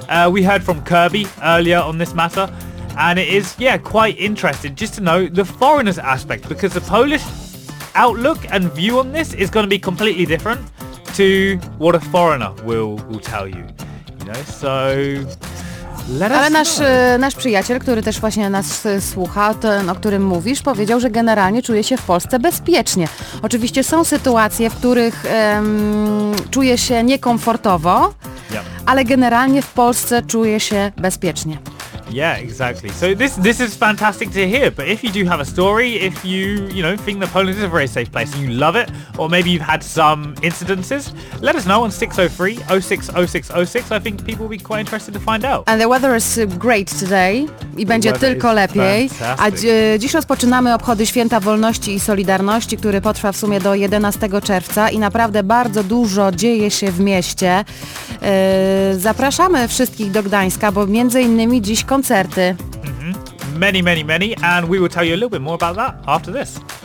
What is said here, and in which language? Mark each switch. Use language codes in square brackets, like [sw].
[en] We heard from Kirby earlier on this matter, and it is, yeah, quite interesting just to know the foreigners aspect, because the Polish outlook and view on this is going to be completely different to what a foreigner will tell you. You know, so... [pl] Ale nasz przyjaciel, który też właśnie nas słucha, ten, o którym mówisz, powiedział, że generalnie czuje się w Polsce bezpiecznie. Oczywiście są sytuacje, w których czuje się niekomfortowo, [en] yep. Ale generalnie w Polsce czuje się bezpiecznie. Yeah, exactly. So this is fantastic to hear. But if you do have a story, if you, you know, think that Poland is a very safe place and you love it, or maybe you've had some incidences, let us know on 603-060-606. I think people will be quite interested to find out. And the weather is great today. [pl] I będzie tylko lepiej. [en] Fantastic. [pl] A dziś rozpoczynamy obchody Święta Wolności i Solidarności, który potrwa w sumie do 11 czerwca i naprawdę bardzo dużo dzieje się w mieście. Zapraszamy wszystkich do Gdańska, bo między innymi dziś koncerty. Mm-hmm. [en] Many, many, many, and we will tell you a little bit more about that after this.